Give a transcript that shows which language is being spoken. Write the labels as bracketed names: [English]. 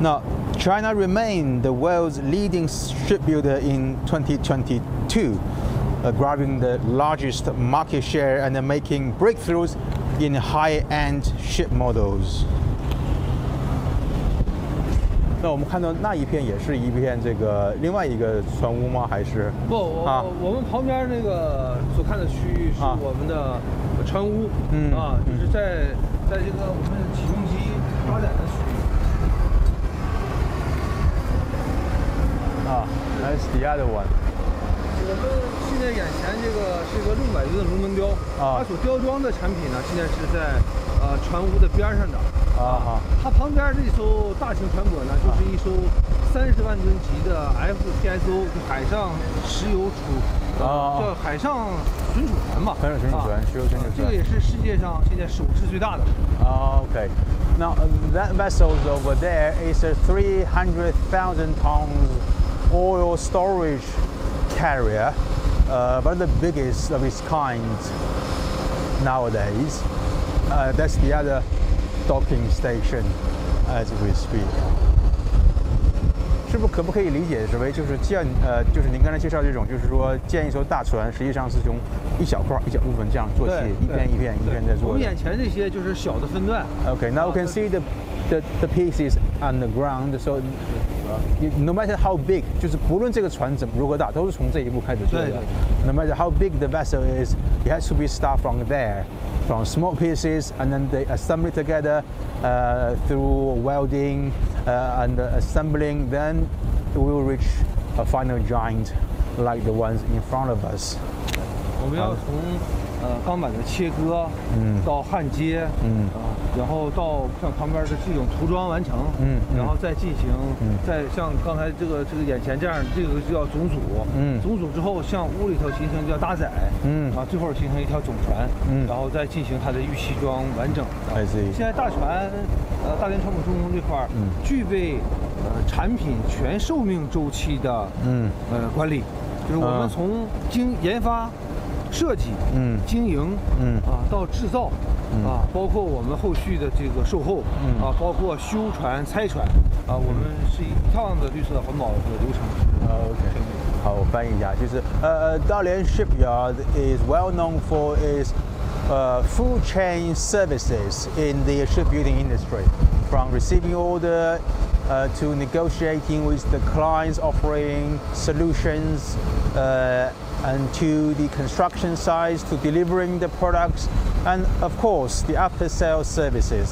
[English] Now, China remained the world's leading shipbuilder in 2022, grabbing the largest market share and making breakthroughs in high-end ship models. [Chinese] 那我们看到那一片也是一片这个另外一个船坞吗？还是不？我们旁边那个所看的区域是我们的船坞，就是在这个我们起重机发展的区域。 [English] That's the other one。 [Chinese] 我们现在眼前这个是一个600吨的龙门雕，它所雕装的产品呢，现在是在船坞的边上的。它旁边这艘大型船舶呢，就是一艘30万吨级的 FPSO， 就海上石油储，叫海上存储船吧。海上存储船，石油存储船。这个也是世界上现在首次最大的。 [English] OK， now that vessel over there is a 300,000 tons oil storage carrier, but the biggest of its kind nowadays. That's the other docking station as we speak. [Chinese] 是不是可不可以理解是为就是建就是您刚才介绍这种就是说建一艘大船实际上是从一小块一小部分这样做起一片一片一片在做我们眼前这些就是小的分段 [English] OK now we can see the pieces on the ground so no matter how big [Chinese] 就是不论这个船怎么如何大都是从这一步开始做的 [English] no matter how big the vessel is it has to be start from therefrom small pieces and then they assemble together through welding and assembling then we will reach a final joint like the ones in front of us [Chinese] 我们要从钢板的切割到焊接然后到像旁边的这种涂装完成然后再进行再像刚才这个眼前这样这个叫总组总组之后向屋里头形成叫搭载然后最后形成一条总船然后再进行它的预期装完整 [English] 的 I see. [Chinese] 现在大船大连船舶中心这块具备产品全寿命周期的管理就是我们从经研发设计经营到制造包括我们后续的这个售后包括修船拆船我们是一套的绿色环保的流程好我翻译一下就是 [English] Dalian shipyard is well known for its full chain services in the shipbuilding industry from receiving order to negotiating with the clients offering solutionsand to the construction sites, to delivering the products, and of course, the after-sales services.